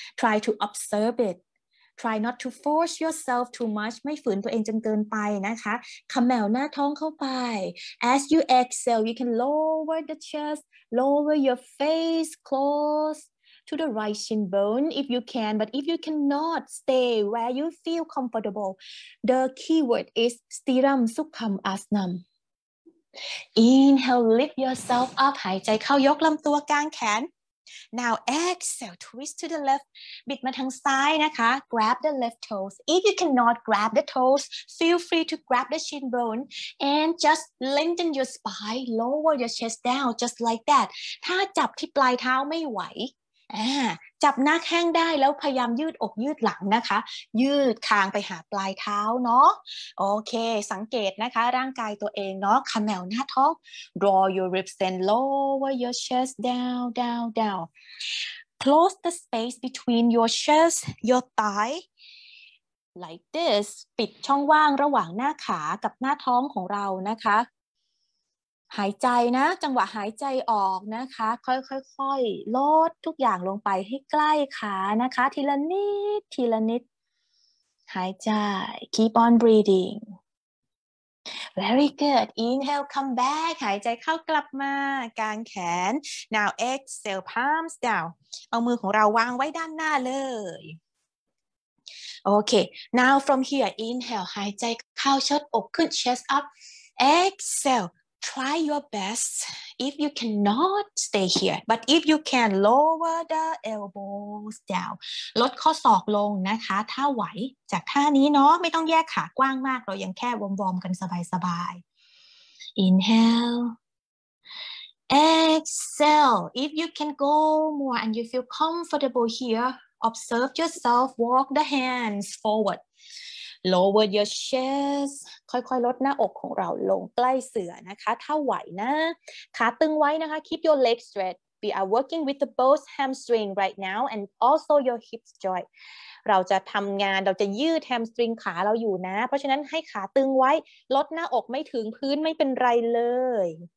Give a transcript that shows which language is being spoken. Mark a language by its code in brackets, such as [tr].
[en] Try to observe it. Try not to force yourself too much. [th] ไม่ฝืนตัวเองจนเกินไปนะคะ ขมวดหน้าท้องเข้าไป [en] As you exhale, you can lower the chest, lower your face close to the right shin bone if you can. But if you cannot, stay where you feel comfortable. The keyword is sthiram sukham asanam. Inhale, lift yourself up. [th] หายใจเข้ายกลำตัวกางแขน [en] Now exhale, twist to the left, [th] บิดมาทางซ้ายนะคะ [en] grab the left toes. If you cannot grab the toes, feel free to grab the shin bone and just lengthen your spine, lower your chest down, just like that. [th] ถ้าจับที่ปลายเท้าไม่ไหวจับหน้าแข้งได้แล้วพยายามยืดอกยืดหลังนะคะยืดคางไปหาปลายเท้าเนาะโอเคสังเกตนะคะร่างกายตัวเองเนาะขมวดหน้าท้อง [en] draw your ribs and lower your chest down down down close the space between your chest your thigh like this [th] ปิดช่องว่างระหว่างหน้าขากับหน้าท้องของเรานะคะ หายใจนะจังหวะหายใจออกนะคะค่อยๆลดทุกอย่างลงไปให้ใกล้ขานะคะทีละนิดทีละนิดหายใจ [en] keep on breathing very good inhale come back [th] หายใจเข้ากลับมากางแขน [en] now exhale palms down [th] เอามือของเราวางไว้ด้านหน้าเลย [en] โอเค now from here inhale [th] หายใจเข้าชดอกขึ้น [en] chest up exhaleTry your best. If you cannot, stay here. But if you can, lower the elbows down. [th] ลดข้อศอกลงนะคะถ้าไหวจากท่านี้เนาะไม่ต้องแยกขากว้างมากเรายังแค่วอร์มๆกันสบายๆ [en] Inhale. Exhale. If you can go more and you feel comfortable here, observe yourself. Walk the hands forward. Lower your chest [th] ค่อยๆลดหน้าอกของเราลงใกล้เสื่อนะคะถ้าไหวนะขาตึงไว้นะคะ [en] keep your legs straight we are working with the both hamstring right now and also your hips joint [th] เราจะทำงานเราจะยืด hamstring ขาเราอยู่นะเพราะฉะนั้นให้ขาตึงไว้ลดหน้าอกไม่ถึงพื้นไม่เป็นไรเลย